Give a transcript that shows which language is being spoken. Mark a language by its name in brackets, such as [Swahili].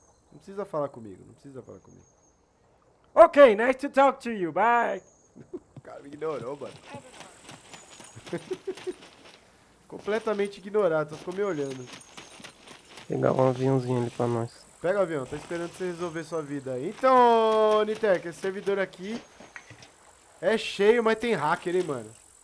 [Portuguese] Não precisa falar comigo, não precisa falar comigo. [English] Ok, nice to talk to you, bye! [Portuguese] O cara me ignorou, mano. Completamente ignorado, só ficou me olhando. Pegar um aviãozinho ali pra nós. Pega o avião, tô esperando você resolver sua vida aí. Então, Niterk, esse servidor aqui é cheio, mas tem hacker, hein, mano?